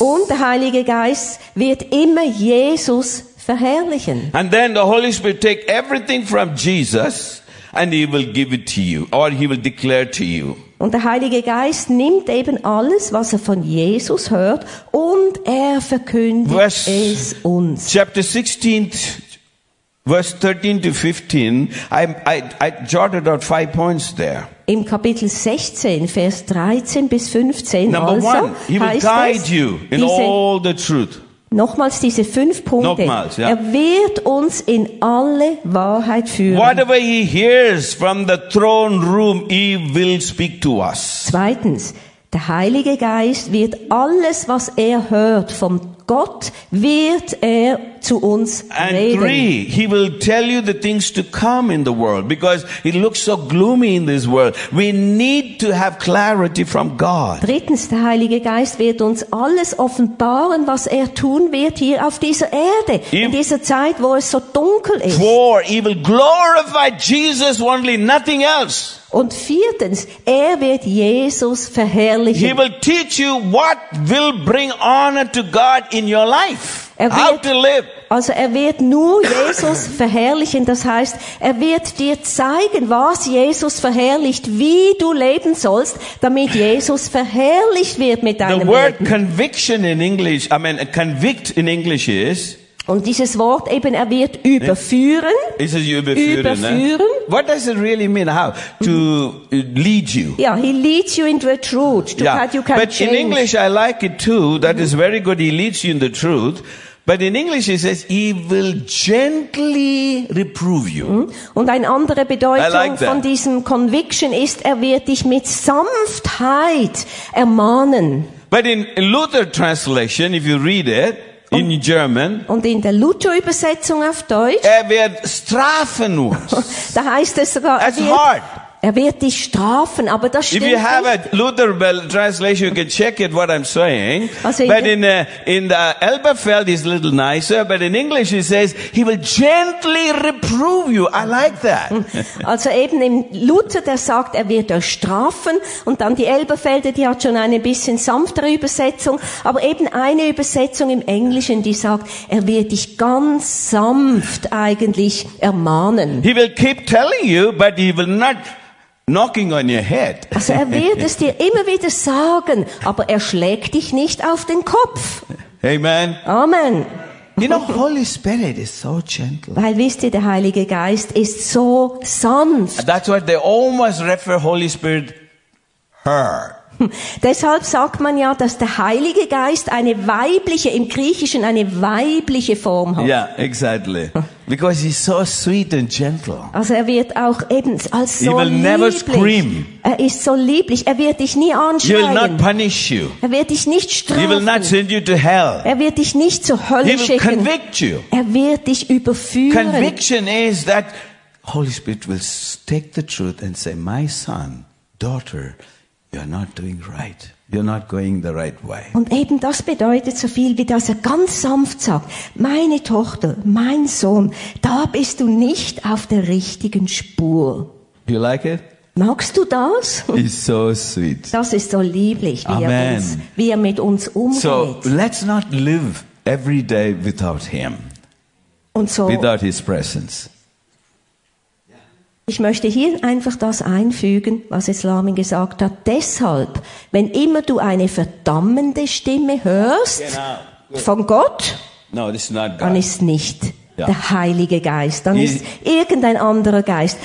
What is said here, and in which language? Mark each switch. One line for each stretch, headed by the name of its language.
German: Und der Heilige Geist wird immer Jesus verkündigen. Verherrlichen.
English: And then the Holy Spirit take everything from Jesus and he will give it to you or he will declare to you.
German: Und der Heilige Geist nimmt eben alles, was er von Jesus hört und er verkündigt es uns.
English: Chapter 16, verse 13 to 15, I jotted out 5 points there.
German: Im Kapitel 16, Vers 13 bis 15,
English: number
German: also
English: one, he will guide you in all the truth.
German: Nochmals diese fünf Punkte. Nochmals, ja. Er wird uns in alle Wahrheit führen.
English: Whatever he hears from the throne room, he will speak to us.
German: Zweitens, der Heilige Geist wird alles, was er hört von Gott, wird er zu uns
English: and
German: reden.
English: And three, he will tell you the things to come in the world, because it looks so gloomy in this world. We need to have clarity from God.
German: Drittens, der Heilige Geist wird uns alles offenbaren, was er tun wird hier auf dieser Erde, in dieser Zeit, wo es so dunkel ist.
English: Four, he will glorify Jesus only, nothing else.
German: Und viertens, er wird Jesus verherrlichen.
English: He will teach you what will bring honor to God in your life. How to live.
German: Also er wird nur Jesus verherrlichen. Das heißt, er wird dir zeigen, was Jesus verherrlicht, wie du leben sollst, damit Jesus verherrlicht wird mit deinem Leben.
English: The word conviction in English, I mean convict in English is.
German: Und dieses Wort eben, er wird überführen. Is it überführen? Eh?
English: What does it really mean? How? To lead you. Yeah, he leads you into a truth. Yeah. You can but change. In English I like it too. That is very good. He leads you in the truth. But in English it says, he will gently reprove you.
German: Und eine andere Bedeutung like von diesem conviction ist, er wird dich mit Sanftheit ermahnen.
English: But in Luther translation, if you read it, in German.
German: Und in der Luther-Übersetzung auf Deutsch. Er wird strafen uns. Da heißt es sogar.
English: That's hard.
German: Er wird dich strafen, aber das stimmt.
English: If you have
German: nicht.
English: A Luther translation, you can check it what I'm saying.
German: Also
English: but in the Elberfeld is a little nicer, but in English it says he will gently reprove you. I like that.
German: Also eben im Luther, der sagt, er wird euch strafen, und dann die Elberfelder, die hat schon eine bisschen sanftere Übersetzung, aber eben eine Übersetzung im Englischen, die sagt, er wird dich ganz sanft eigentlich ermahnen.
English: He will keep telling you, but he will not knocking on your head.
German: Also er wird es dir immer wieder sagen, aber er schlägt dich nicht auf den Kopf. Amen. Amen.
English: You know, Holy Spirit is so gentle.
German: Weil wisst ihr, der Heilige Geist ist so sanft.
English: That's why they almost refer Holy Spirit her.
German: Deshalb sagt man ja, dass der Heilige Geist eine weibliche, im Griechischen eine weibliche Form hat.
English: Yeah, exactly. Because he's so sweet and gentle.
German: Also er wird auch eben als so
English: he will
German: lieblich.
English: Never scream.
German: Er ist so lieblich. Er wird dich nie anschreien.
English: He will not punish you.
German: Er wird dich nicht strafen.
English: He will not send you to hell.
German: Er wird dich nicht zur Hölle
English: he will
German: schicken.
English: Convict you.
German: Er wird dich überführen.
English: Conviction is that Holy Spirit will take the truth and say, my son, daughter, you're not doing right. You're not going the right way.
German: Und eben das bedeutet so viel, wie dass er ganz sanft sagt, meine Tochter, mein Sohn, da bist du nicht auf der richtigen Spur.
English: You like it?
German: Magst du das?
English: It's so sweet.
German: Das ist so lieblich, wie, amen. Er, uns, wie er mit uns umgeht.
English: So, let's not live every day without him.
German: Und so,
English: without his presence.
German: Ich möchte hier einfach das einfügen, was Islamin gesagt hat. Deshalb, wenn immer du eine verdammende Stimme hörst von Gott,
English: no, this is not God.
German: Dann ist nicht yeah. der Heilige Geist. Dann ist irgendein anderer Geist.